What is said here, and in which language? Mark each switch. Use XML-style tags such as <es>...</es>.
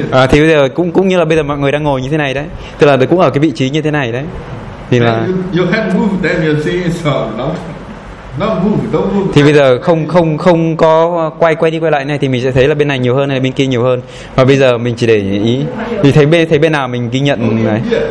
<vi>Thì bây giờ cũng như là bây giờ mọi người đang ngồi như thế này đấy, tức là cũng ở cái vị trí như thế này đấy. Thì là</vi> <en>you have moved, then you see it's not moved, don't move.</en> <vi>Thì bây giờ không có quay đi quay lại này thì mình sẽ thấy là bên này nhiều hơn hay bên kia nhiều hơn. Và bây giờ mình chỉ để ý thì thấy bên nào mình ghi nhận này.</vi>